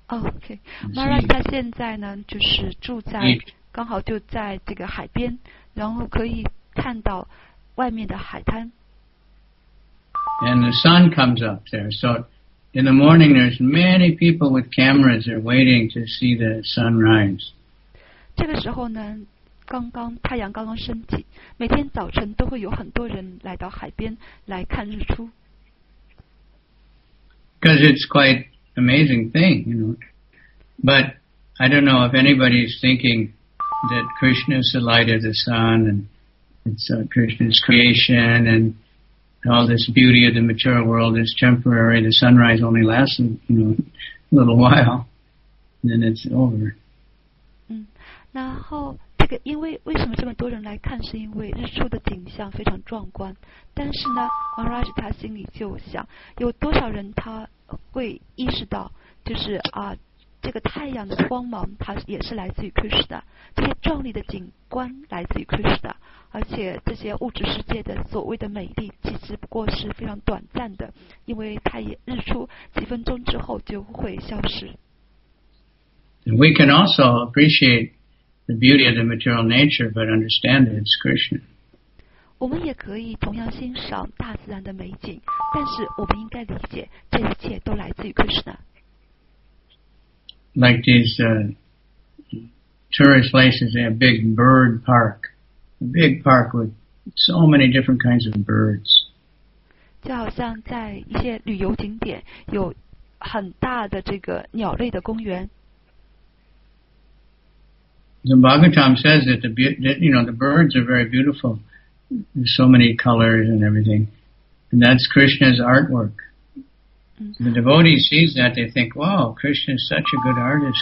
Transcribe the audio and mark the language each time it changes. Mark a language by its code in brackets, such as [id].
[zh] Okay. Maharaj, 他现在呢就是住在刚好就在这个海边，然后可以看到外面的海滩。 [en] And the sun comes up there. So in the morning, there's many people with cameras are waiting to see the sunrise. [zh] 这个时候呢，刚刚太阳刚刚升起，每天早晨都会有很多人来到海边来看日出。 [en] Because it's quite an amazing thing, you know. But I don't know if anybody's thinking that Krishna is the light of the sun and it's Krishna's creation and all this beauty of the material world is temporary. The sunrise only lasts, you know, a little while. And then it's over. [zh] 然后这个因为为什么这么多人来看是因为日出的景象非常壮观，但是呢 Maharaj 他心里就想有多少人他会意识到就是这个太阳的光芒它也是来自于 Krishna， 这些壮丽的景观来自于 Krishna， 而且这些物质世界的所谓的美丽其实不过是非常短暂的，因为它也日出几分钟之后就会消失。 [en] We can also appreciateThe beauty of the material nature, but understand that it's Krishna. [zh] 我们也可以同样欣赏大自然的美景，但是我们应该理解这一切都来自于 Krishna. [en] Like these tourist places, they have big bird park, a big park with so many different kinds of birds. [zh] 就好像在一些旅游景点有很大的这个鸟类的公园。 [en] The Bhagavatam says that the birds are very beautiful, so many colors and everything. And that's Krishna's artwork. The devotee sees that, they think, wow, Krishna is such a good artist.